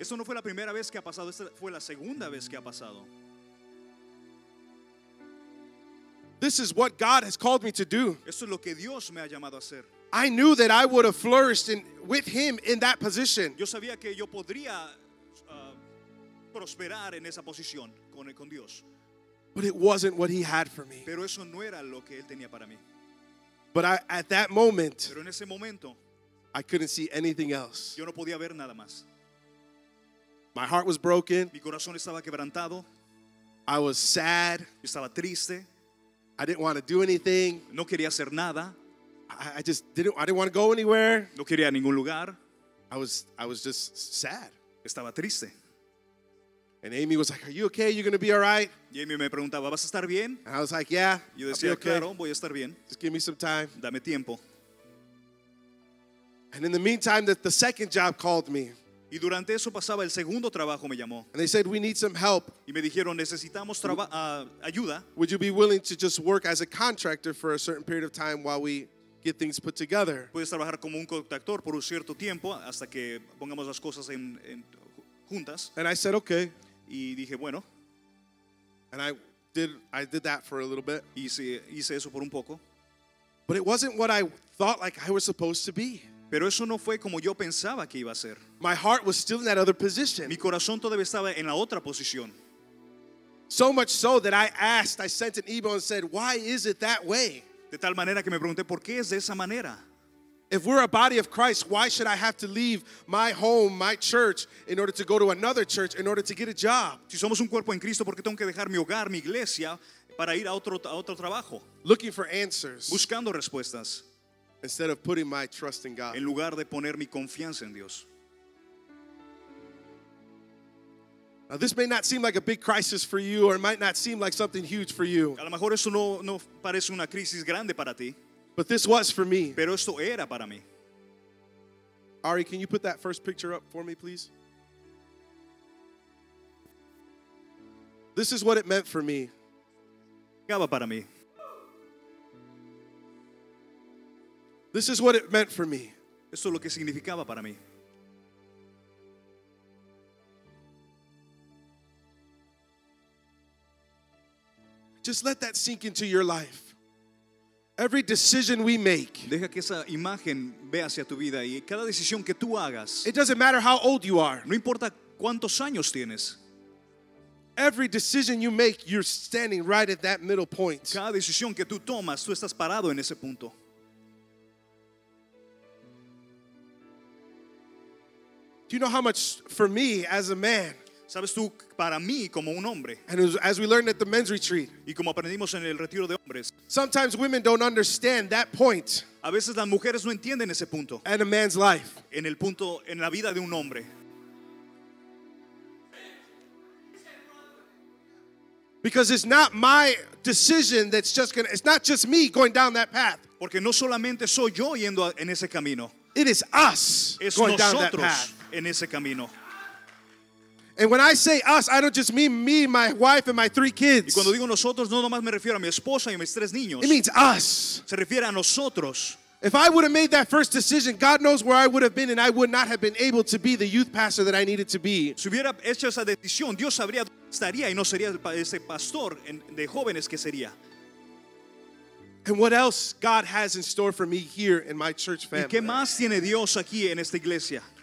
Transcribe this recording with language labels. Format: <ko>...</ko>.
<es>Esto no fue la primera vez que ha pasado. Esta fue la segunda vez que ha pasado.</es> <en>This is what God has called me to do.</en> <es>Esto es lo que Dios me ha llamado a hacer.</es> <en>I knew that I would have flourished with Him in that position.</en> <es>Yo sabía que yo podría prosperar en esa posición con Dios.</es> <en>But it wasn't what he had for me.</en> <es>Pero eso no era lo que él tenía para mí.</es> <en>But I, at that moment,</en> <es>pero en ese momento,</es> <en>I couldn't see anything else.</en> <es>Yo no podía ver nada más.</es> <en>My heart was broken.</en> <es>Mi corazón estaba quebrantado.</es> <en>I was sad.</en> <es>Yo estaba triste.</es> <en>I didn't want to do anything.</en> <es>No quería hacer nada.</es> <en>I didn't want to go anywhere.</en> <es>No quería ningún lugar.</es> <en>I was just sad.</en> <es>Estaba triste.</es> <en>And Amy was like, "Are you okay? You're gonna be all right."</en> <es>Amy me preguntaba, "¿Vas a estar bien?"</es> <en>And I was like, "Yeah."</en> <es>Yo decía,</es> <en>I'll be okay.</en> <es>Claro, voy a estar bien.</es> <en>Just give me some time.</en> <es>Dame tiempo.</es> <en>And in the meantime, the second job called me.</en> <es>Y durante eso pasaba el segundo trabajo me llamó.</es> <en>And they said, "We need some help."</en> <es>Y me dijeron, necesitamos ayuda.</es> <en>Would you be willing to just work as a contractor for a certain period of time while we get things put together?</en> <es>Puedes trabajar como un contractor por un cierto tiempo hasta que pongamos las cosas en juntas.</es> <en>And I said, "Okay."</en> <es>Y dije, bueno.</es> <en>And I did that for a little bit.</en> <es>Hice eso por un poco.</es> <en>But it wasn't what I thought like I was supposed to be.</en> <es>Pero eso no fue como yo pensaba que iba a ser.</es> <en>My heart was still in that other position.</en> <es>Mi corazón todavía estaba en la otra posición.</es> <en>So much so that I sent an email and said, "Why is it that way?"</en> <es>De tal manera que me pregunté, ¿por qué es de esa manera?</es> <en>If we're a body of Christ, why should I have to leave my home, my church, in order to go to another church, in order to get a job?</en> <es>Si somos un cuerpo en Cristo, ¿por qué tengo que dejar mi hogar, mi iglesia, para ir a otro trabajo?</es> <en>Looking for answers.</en> <es>Buscando respuestas.</es> <en>Instead of putting my trust in God.</en> <es>En lugar de poner mi confianza en Dios.</es> <en>Now, this may not seem like a big crisis for you, or it might not seem like something huge for you.</en> <es>A lo mejor eso no parece una crisis grande para ti.</es> <en>But this was for me.</en> <es>Pero esto era para mí.</es> <en>Ari, can you put that first picture up for me, please? This is what it meant for me.</en> <es>Era para mí.</es> <en>This is what it meant for me.</en> <es>Esto es lo que significaba para mí.</es> <en>Just let that sink into your life. Every decision we make.</en> <es>Deja que esa imagen vea hacia tu vida y cada decisión que tú hagas.</es> <en>It doesn't matter how old you are.</en> <es>No importa cuántos años tienes.</es> <en>Every decision you make, you're standing right at that middle point.</en> <es>Cada decisión que tú tomas, tú estás parado en ese punto.</es> <en>Do you know how much for me as a man?</en> <es>¿Sabes tú, para mí como un hombre?</es> <en>And as we learned at the men's retreat,</en> <es>y como aprendimos en el retiro de hombres,</es> <en>sometimes women don't understand that point.</en> <es>A veces las mujeres no entienden ese punto.</es> <en>And a man's life.</en> <es>En el punto, en la vida de un hombre.</es> <en>Because it's not my decision that's just going to, it's not just me going down that path.</en> <es>Porque no solamente soy yo yendo en ese camino.</es> <en>It is us</en> <es>es</es> <en>going</en> <es>nosotros</es> <en>down that path.</en> <es>En ese camino.</es> <en>And when I say us, I don't just mean me, my wife, and my three kids.</en> <es>Y cuando digo nosotros, no nomás me refiero a mi esposa y a mis tres niños.</es> <en>It means us.</en> <es>Se refiere a nosotros.</es> <en>If I would have made that first decision, God knows where I would have been, and I would not have been able to be the youth pastor that I needed to be.</en> <es>Si hubiera hecho esa decisión, Dios sabría dónde estaría y no sería ese pastor de jóvenes que sería.</es> <en>And what else God has in store for me here in my church family?</en> <es>¿Y qué más tiene Dios aquí en esta iglesia?</es>